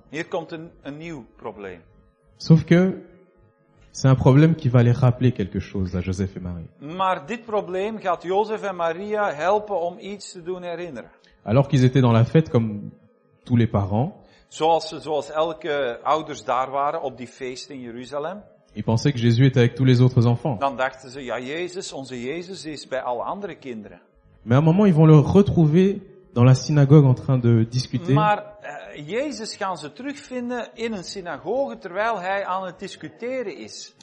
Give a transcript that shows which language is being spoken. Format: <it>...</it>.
<nl>Hier komt een nieuw probleem.</nl> <fr>Sauf que c'est un problème qui va les rappeler quelque chose à Joseph et Marie.</fr> <nl>Maar dit probleem gaat Joseph en Maria helpen om iets te doen herinneren.</nl> <fr>Alors qu'ils étaient dans la fête comme tous les parents.</fr> <nl>Zoals elke ouders daar waren op die feest in Jeruzalem.</nl> <fr>Ils pensaient que Jésus était avec tous les autres enfants.</fr> <nl>Dan dachten ze, ja, Jezus, onze Jezus is bij alle andere kinderen.</nl> <fr>Mais à un moment, ils vont le retrouver dans la synagogue en train de discuter.</fr> <nl>Maar Jezus gaan ze terugvinden in een synagoge terwijl hij aan het discuteren is.</nl>